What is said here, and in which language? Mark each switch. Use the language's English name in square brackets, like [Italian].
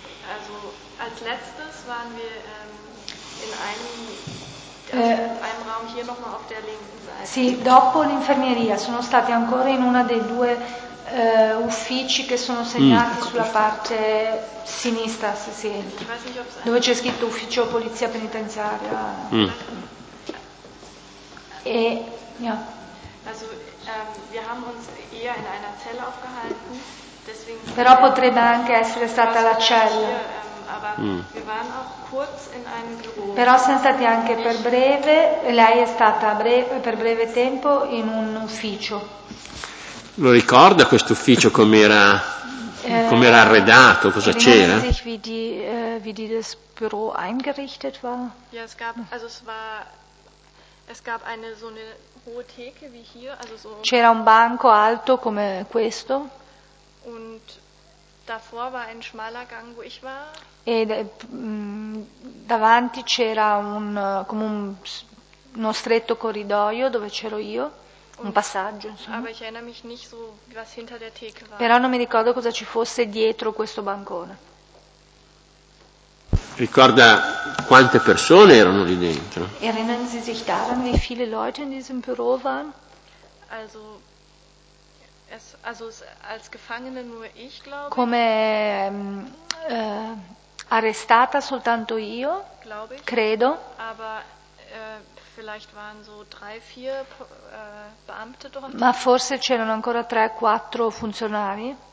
[German] Also als letztes waren wir in einem Raum hier nochmal auf der linken Seite. [Italian] Sì, dopo l'infermeria sono stati ancora in una dei due uffici che sono segnati sulla parte sinistra, se si entra. Dove c'è scritto ufficio polizia penitenziaria. E, ja. [German] Also, wir haben uns eher in einer Zelle aufgehalten, deswegen. [Italian] Però potrebbe anche essere stata la cella. [German] Wir waren auch kurz in einem Büro. [Italian] Però siamo stati anche per breve, lei è stata per breve tempo in un ufficio. Lo ricorda questo ufficio com'era arredato, cosa c'era? [German] Sich wie das Büro eingerichtet war. Ja, es gab, also es war. Es gab eine so eine hohe Theke wie hier, also so. [Italian] C'era un banco alto come questo. [German] Und davor war ein schmaler Gang, wo ich war. [Italian] E davanti c'era uno stretto corridoio dove c'ero io, un passaggio, insomma. [German] Aber ich erinnere mich nicht so, was hinter der Theke war. [Italian] Però non mi ricordo cosa ci fosse dietro questo bancone. Ricorda quante persone erano lì dentro? [German] Erinnern Sie sich daran, wie viele Leute in diesem Büro waren? Also als Gefangene nur ich, glaube ich. [Italian] Come arrestata soltanto io, [German] glaube ich. [Italian] Credo. [German] Aber vielleicht waren so 3-4 Beamte dort. [Italian] Ma forse c'erano ancora 3-4 funzionari?